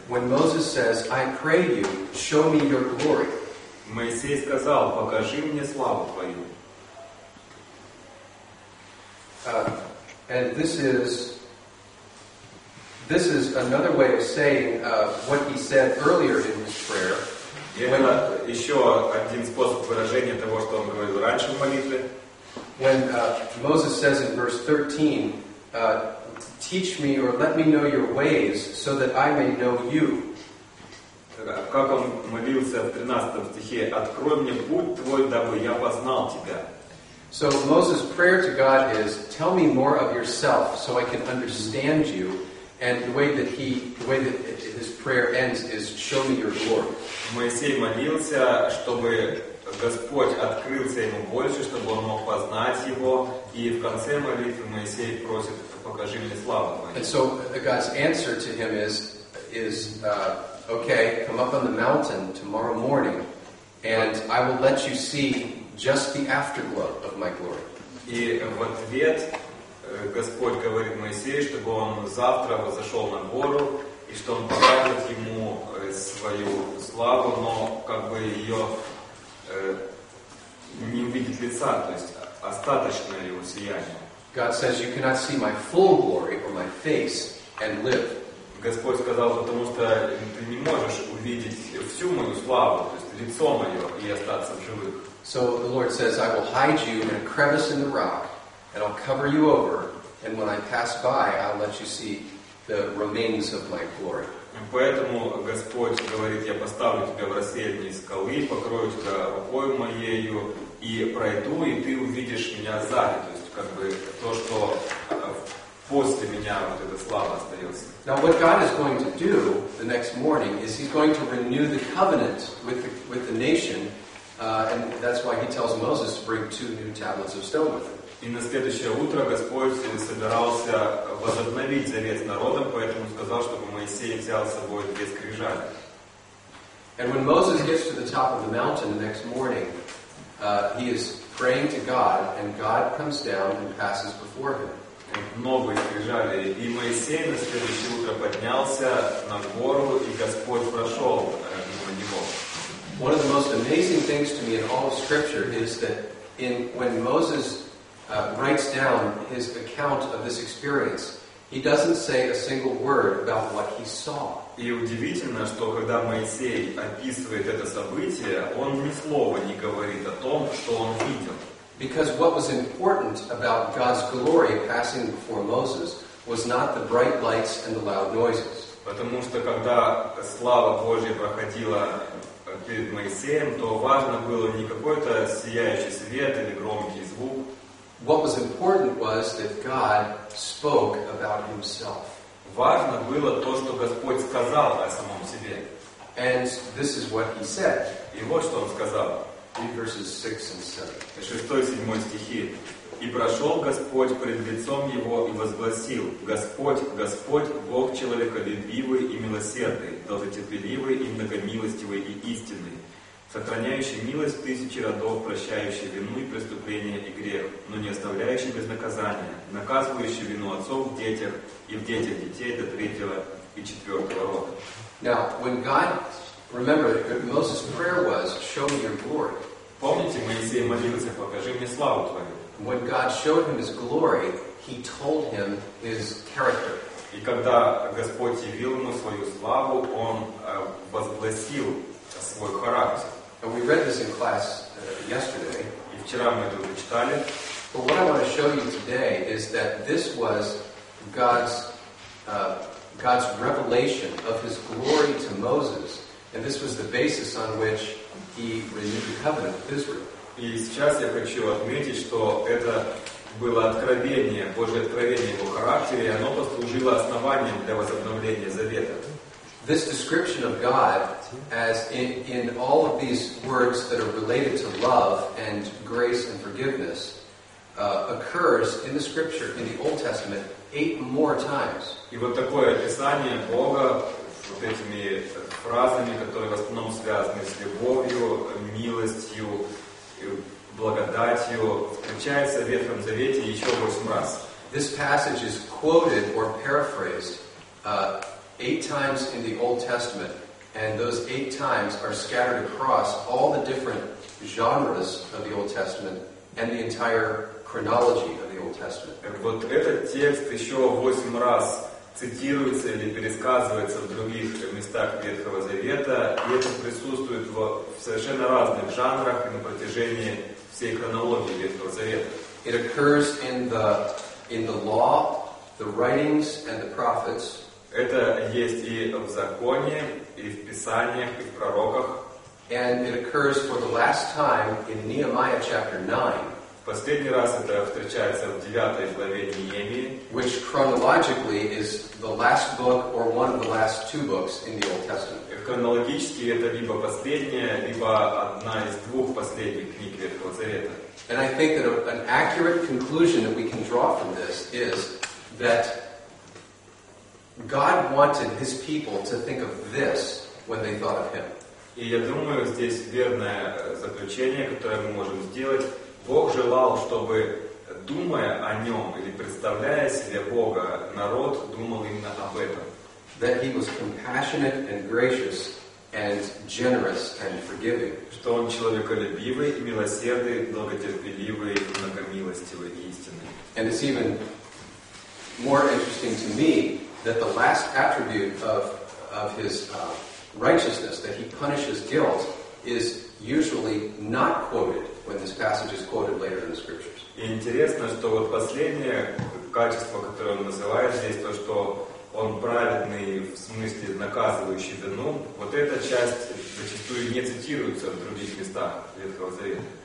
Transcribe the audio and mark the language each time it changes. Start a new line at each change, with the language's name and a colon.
English: When Moses says, "I pray you, show me your glory."
Russian: Моисей сказал, покажи мне славу твою.
English: And this is another way of saying what he said earlier in his prayer.
Russian: Это еще один способ выражения того, что он говорил раньше в молитве.
English: When Moses says in verse 13, "Teach me or let me know your ways, so that I may know you."
Russian: Как он молился в 13 стихе, "Открой мне путь твой, дабы я познал тебя."
English: So Moses' prayer to God is, "Tell me more of yourself, so I can understand you." And the way that his prayer ends is, "Show me your glory."
Russian: Моисей молился, чтобы Господь открылся ему больше, чтобы он мог познать его. И в конце молитвы Моисей просит, покажи мне славу твою.
English: And so God's answer to him is, okay, come up on the mountain tomorrow morning, and I will let you see just the afterglow of my glory.
Russian: И в ответ Господь говорит Моисею, чтобы он завтра возошел на гору, и что он покажет ему свою славу, но как бы ее не увидит лица, то есть остаточное его сияние.
English: God says, you cannot see my full glory or my face and live.
Russian: Господь сказал, потому что ты не можешь увидеть всю мою славу, то есть лицо мое, и остаться в живых.
English: So the Lord says, I will hide you in a crevice in the rock, and I'll cover you over, and when I pass by, I'll let you see the remains of my glory.
Russian: Поэтому Господь говорит, я поставлю тебя в расселении скалы, покрою тебя рукой моею, и пройду, и ты увидишь меня сзади. То есть, как бы, то, что после меня вот эта слава остается.
English: Now, what God is going to do the next morning is he's going to renew the covenant with the nation, and that's why he tells Moses to bring two new tablets of stone with him.
Russian: И на следующее утро Господь собирался возобновить завет с народом, поэтому сказал, чтобы Моисей взял с собой две скрижали.
English: And when Moses gets to the top of the mountain the next morning, he is praying to God, and God comes down and passes before him.
Russian: Новые скрижали. И Моисей на следующее утро поднялся на гору, и Господь прошел мимо него.
English: One of the most amazing things to me in all of Scripture is that when Moses writes down his account of this experience, he doesn't say a single word about what he saw.
Russian: И удивительно, что когда Моисей описывает это событие, он ни слова не говорит о том, что он видел.
English: Because what was important about God's glory passing before Moses was not the bright lights and the loud noises.
Russian: Потому что когда слава Божья проходила перед Моисеем, то важно было не какой-то сияющий свет или громкий звук.
English: What was important was that God spoke about himself.
Russian: Важно было то, что Господь сказал о самом себе.
English: And this is what he said.
Russian: И вот что он сказал. 6-7. «И прошел Господь пред лицом его и возгласил, Господь, Господь, Бог человеколюбивый и милосердный, долготерпеливый и многомилостивый и истинный, сохраняющий милость тысячи родов, прощающий вину и преступления и грех, но не оставляющий без наказания, наказывающий вину отцов в детях и в детях детей до третьего и четвертого рода».
English: Now, when God, remember, Moses' prayer was, show me your glory.
Russian: Помните, Моисей молился, покажи мне славу твою.
English: When God showed him his glory, he told him his character.
Russian: И когда Господь явил ему свою славу, он возгласил свой характер.
English: And we read this in class yesterday.
Russian: И вчера мы это читали.
English: But what I want to show you today is that this was God's God's revelation of his glory to Moses, and this was the basis on which he renewed the covenant with Israel.
Russian: И сейчас я хочу отметить, что это было откровение, Божье откровение его характера, и оно послужило основанием для возобновления завета.
English: This description of God as in all of these words that are related to love and grace and forgiveness occurs in the scripture in the Old Testament 8 more times.
Russian: И вот такое описание Бога вот этими фразами, которые в основном связаны с любовью, милостью, благодатью, встречается в Ветхом Завете еще 8 раз.
English: This passage is quoted or paraphrased 8 times in the Old Testament, and those 8 times are scattered across all the different genres of the Old Testament and the entire chronology of the Old Testament.
Russian: Вот этот текст еще 8 раз цитируется или пересказывается в других местах Ветхого Завета, и это присутствует в совершенно разных жанрах и на протяжении всей хронологии Ветхого Завета.
English: It occurs in the law, the writings, and the prophets.
Russian: Это есть и в законе, и в писаниях, и в пророках.
English: And it occurs for the last time in Nehemiah chapter 9.
Russian: Последний раз это встречается в 9 главе Неемии,
English: which chronologically is the last book or one of the last two books in the Old Testament.
Russian: Хронологически это либо последняя, либо одна из двух последних книг Ветхого Завета.
English: And I think that an accurate conclusion that we can draw from this is that God wanted his people to think of this when they thought of him.
Russian: И я думаю, здесь верное заключение, которое мы можем сделать. Бог желал, чтобы, думая о нем или представляя себе Бога, народ думал именно об этом.
English: That he was compassionate and gracious and generous and forgiving.
Russian: Что он человеколюбивый и милосердный, долготерпеливый, многомилостивый и истинный.
English: And it's even more interesting to me that the last attribute of his righteousness, that he punishes guilt, is usually not quoted when this passage is quoted later in the scriptures.
Russian: Интересно, что вот последнее качество, которое он называет здесь, то, что он праведный в смысле наказывающий вину, вот эта часть зачастую не цитируется в других местах Ветхого Завета.